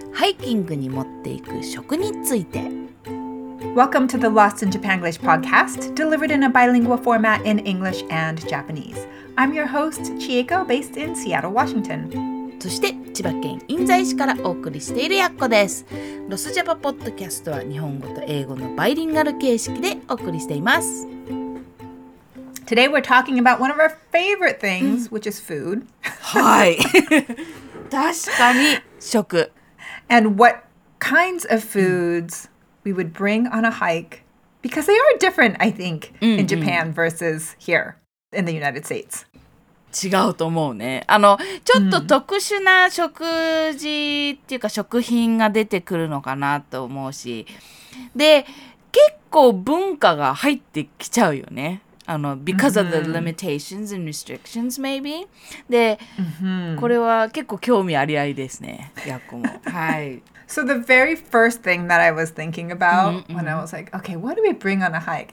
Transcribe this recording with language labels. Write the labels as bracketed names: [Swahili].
[Japanese] ハイキングに持っていく食について。 [English] Welcome to the Lost in Japanglish podcast, delivered in a bilingual format in English and Japanese. I'm your host, Chieko, based in Seattle, Washington. [Japanese] そして千葉県印西市からお送りしているやっこです。ロスジャパポッドキャストは日本語と英語のバイリンガル形式でお送りしています。 [English] Today we're talking about one of our favorite things, which is food. [Japanese] はい。確かに食。 [English] And what kinds of foods we would bring on a hike, because they are different, I think, in Japan versus here in the United States. [Japanese] 違うと思うね。ちょっと特殊な食事っていうか食品が出てくるのかなと思うし。で、結構文化が入ってきちゃうよね。 [English] Because of the limitations and restrictions, maybe. [Japanese] で、これは結構興味ありありですね。やっこも。はい。 [English] So the very first thing that I was thinking about when I was like, okay, what do we bring on a hike?